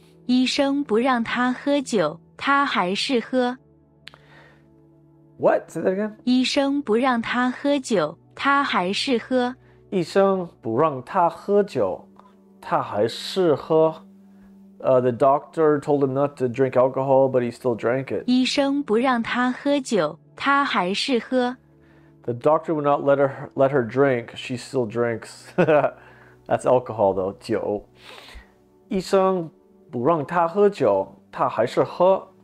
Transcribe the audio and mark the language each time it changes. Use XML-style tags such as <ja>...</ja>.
<zh>医生不让他喝酒，他还是喝。</zh> <en>What? Say that again.</en> <zh>医生不让他喝酒，他还是喝。医生不让他喝酒，他还是喝。</zh> <en>The doctor told him not to drink alcohol, but he still drank it.</en> <zh>医生不让他喝酒，他还是喝。</zh> <en>The doctor would not let her drink. She still drinks. That's alcohol, though. 酒。</en> <zh>医生不让他喝酒，他还是喝。</zh>